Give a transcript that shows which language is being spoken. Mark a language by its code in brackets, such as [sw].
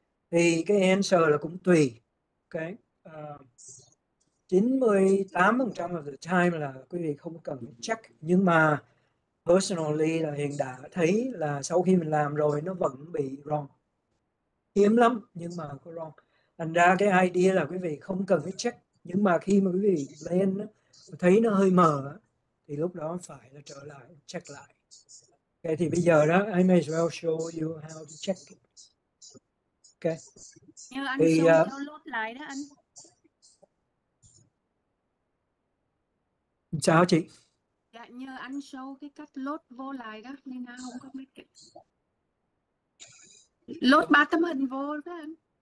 [vi] Thì cái answer là cũng tùy. Okay. [en] 98% of the time [vi] là quý vị không cần check, nhưng mà personally là hiện đã thấy là sau khi mình làm rồi nó vẫn bị wrong. Hiếm lắm nhưng mà có wrong. Thành ra cái idea là quý vị không cần phải check, nhưng mà khi mà quý vị blend thấy nó hơi mờ thì lúc đó phải là trở lại check lại. [en] Okay, [vi] thì bây giờ đó [en] I may as well show you how to check. [vi] Nếu anh Ok. [en] show me download [vi] lại đó anh. Chào chị. Dạ, nhờ anh show cái cách load vô lại đó nên nó không có mấy cái. Load ba tấm hình vô đó anh.